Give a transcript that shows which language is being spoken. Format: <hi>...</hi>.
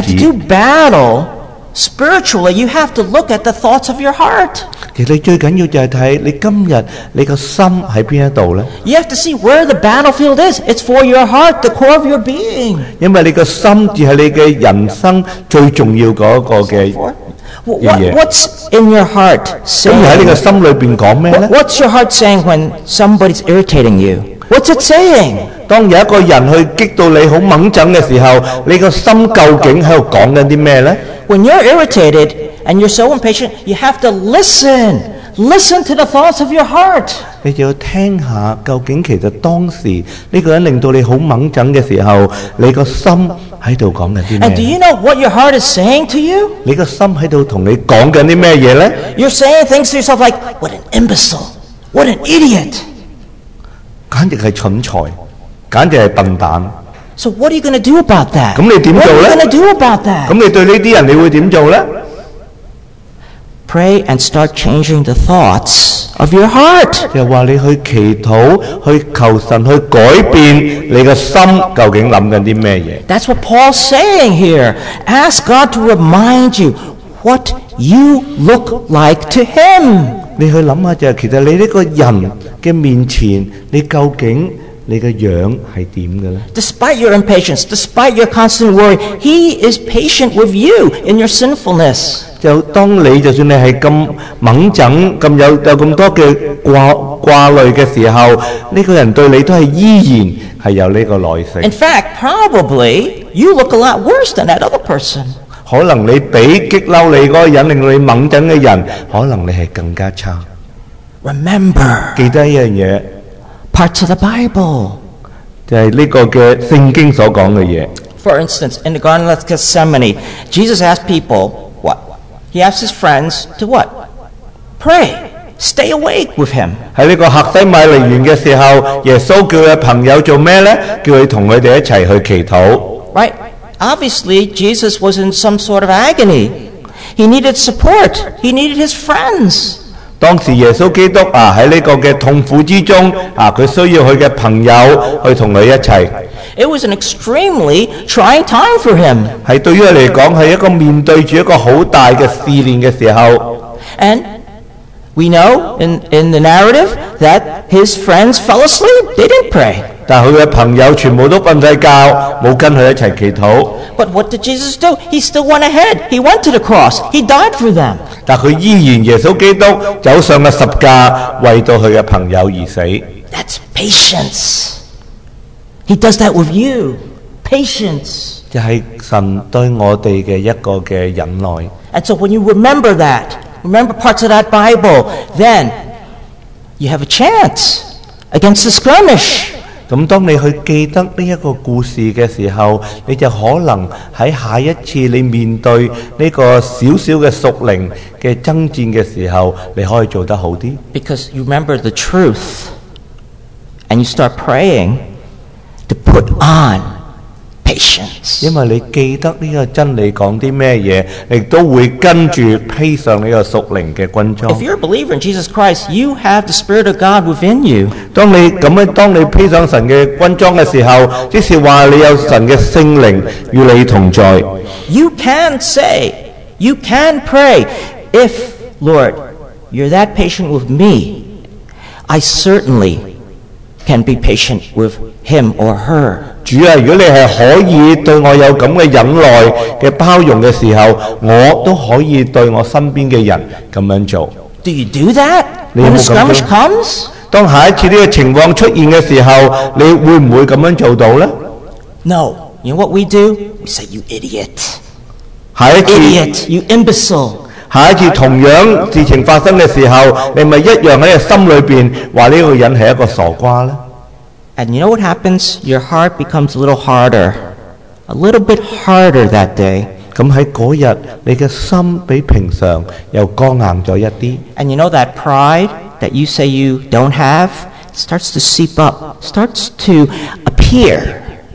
<en>And to do battle spiritually, you have to look at the thoughts of your heart.</en> <yue>其實最緊要就係睇你今日你個心喺邊一度咧。</yue> <en>You have to see where the battlefield is. It's for your heart, the core of your being.</en> <yue>因為你個心就係你嘅人生最重要嗰個嘅。</yue> <en>What's in your heart saying?</en> <yue>咁喺你個心裏邊講咩咧</yue> <en>？What's your heart saying when somebody's irritating you？ What's it saying?</en> <yue>当有一个人去激到你好猛整嘅时候，你个心究竟喺度讲紧啲咩咧</yue> <en>？When you're irritated and you're so impatient, you have to listen. Listen to the thoughts of your heart.</en> <yue>你就要听一下究竟其实当时呢个人令到你好猛整嘅时候，你个心喺度讲紧啲咩</yue> <en>？And do you know what your heart is saying to you?</en> <yue>你个心喺度同你讲紧啲咩嘢咧</yue> <en>？You're saying things to yourself like, "What an imbecile! What an idiot!"</en> <yue>簡直係蠢材，簡直係笨蛋。</yue> <en>So what are you going to do about that?</en> <yue>咁你點做咧</yue> <en>？What are you going to do about that?</en> <yue>咁你對呢啲人你會點做咧</yue> <en>？Pray and start changing the thoughts of your heart.</en> <yue>又話你去祈禱，去求神去改變你個心，究竟諗緊啲咩嘢</yue> <en>？That's what Paul's saying here. Ask God to remind you what you look like to Him.</en> <yue>你去諗下就係，其實你呢個人嘅面前，你究竟你嘅樣係點嘅咧</yue> <en>？Despite your impatience, despite your constant worry, He is patient with you in your sinfulness.</en> <yue>就當你就算你係咁猛整、咁有咁多嘅掛慮嘅時候，呢個人對你都係依然係有呢個耐性。</yue> <en>In fact, probably you look a lot worse than that other person.</en> <yue>可能你比激嬲你嗰个人令你猛整嘅人，可能你系更加差。</yue> <en>Remember，</en> <yue>记得一样嘢</yue> <en>，parts of the Bible，</en> <yue>就系呢个嘅圣经所讲嘅嘢。</yue> <en>For instance， in the Garden of Gethsemane， Jesus asked people what？ He asked his friends to what？ Pray， stay awake with him。</en> <yue>喺呢个客西米尼园嘅时候，耶稣叫佢朋友做咩咧？叫佢同佢哋一齐去祈祷。</yue> <en>Right。 Obviously, Jesus was in some sort of agony. He needed support. He needed his friends.</en> <yue>当时耶稣基督啊，喺呢个嘅痛苦之中啊，佢需要佢嘅朋友去同佢一齐。</yue> <en>It was an extremely trying time for him.</en> <yue>系对于佢嚟讲，系一个面对住一个好大嘅试炼嘅时候。</yue> <en>And we know in the narrative that his friends fell asleep. They didn't pray.</en> <yue>但佢嘅朋友全部都瞓曬覺，冇跟佢一齊祈禱。</yue> <en>But what did Jesus do? He still went ahead. He went to the cross. He died for them.</en> <yue>但佢依然耶穌基督走上嘅十架，為到佢嘅朋友而死。</yue> <en>That's patience. He does that with you. Patience.</en> <yue>就係神對我哋嘅一個嘅忍耐。</yue> <en>And so when you remember that, remember parts of that Bible, then you have a chance against the skirmish.</en> <yue>咁当你去记得呢一个故事嘅时候，你就可能喺下一次你面对呢个小小嘅属灵嘅争战嘅时候，你可以做得好啲。</yue> <en>Because you remember the truth, and you start praying to put on patience.</en> <yue>因为你记得呢个真理讲啲咩嘢，你都会跟住披上呢个属灵嘅军装。</yue> <en>If you're a believer in Jesus Christ, you have the Spirit of God within you.</en> <yue>当你披上神嘅军装嘅时候，即是话你有神嘅圣灵与你同在。</yue> <en>You can say, you can pray, if Lord, you're that patient with me, I certainly can be patient with him or her.</en> <yue>主啊，如果你系可以对我有咁嘅忍耐嘅包容嘅时候，我都可以对我身边嘅人咁样做。</yue> <en>Do you do that when the skirmish comes？</en> <yue>当下一次呢个情况出现嘅时候，你会唔会咁样做到咧</yue> <en>？No， you know what we do？ We say you idiot。</en> <yue>下一次</yue> <en>，idiot， you imbecile。</en> <yue>下一次同样事情发生嘅时候，你咪一样喺个心里边话呢个人系一个傻瓜咧。</yue> <en>And you know what happens? Your heart becomes a little harder, a little bit harder that day.</en> <yue>咁喺嗰日，你嘅心比平常又刚硬咗一啲。</yue> <en>And you know that pride that you say you don't have starts to seep up, starts to appear.</en>